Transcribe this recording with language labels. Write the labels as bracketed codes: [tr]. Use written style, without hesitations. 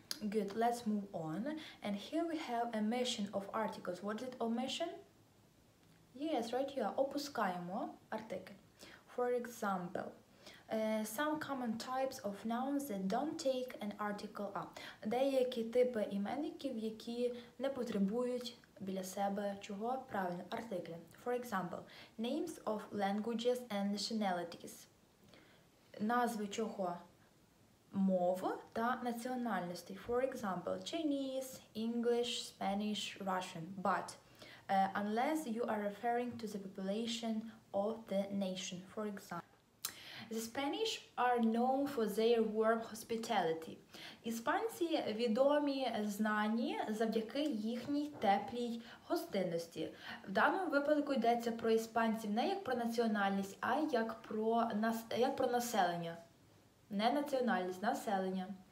[en] Good, let's move on. And here we have omission of articles. What is it, omission? Yes, right here. [uk] Opuskaemo artikel. [en] For example, some common types of nouns that don't take an article up. [uk] Деякі типи іменників, які не потребують біля себе чого? Правильно, артиклі. [en] For example, names of languages and nationalities. [uk] Назви чого? Мов та національностей. [en] For example, Chinese, English, Spanish, Russian. But unless you are referring to the population of the nation, for example. The Spanish are known for their warm hospitality. [uk] Іспанці відомі знані завдяки їхній теплій гостинності. В даному випадку йдеться про іспанців не як про національність, а як про населення. Не національність, населення.